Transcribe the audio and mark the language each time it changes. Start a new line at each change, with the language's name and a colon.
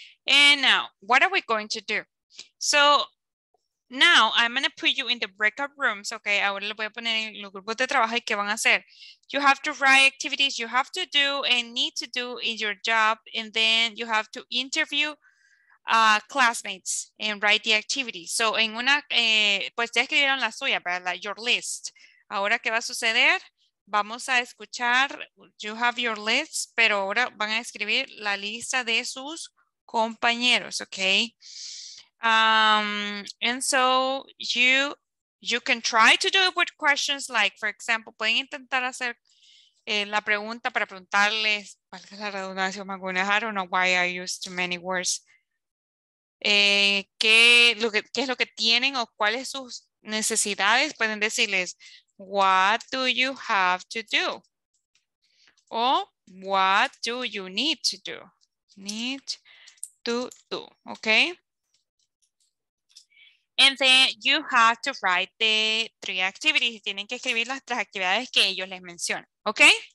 English: And now, what are we going to do? So, now I'm going to put you in the breakout rooms, okay?
Spanish: Ahora le voy a poner en los grupos de trabajo y qué van a hacer.
English: You have to write activities you have to do and need to do in your job, and then you have to interview classmates and write the activities.
Spanish: So, en una, pues ya escribieron la suya, ¿verdad?
English: Like your list.
Spanish: Ahora, ¿qué va a suceder? Vamos a escuchar,
English: you have your list,
Spanish: pero ahora van a escribir la lista de sus compañeros, okay?
English: And so you can try to do it with questions like, for example,
Spanish: pueden intentar hacer la pregunta para preguntarles, valga la redundancia,
English: I don't know why I use too many words.
Spanish: ¿Qué es lo que tienen o cuáles sus necesidades? Pueden decirles,
English: what do you have to do? Or what do you need to do? Need to do, okay? And then you have to write the three activities.
Spanish: Tienen que escribir las tres actividades que ellos les mencionan, okay?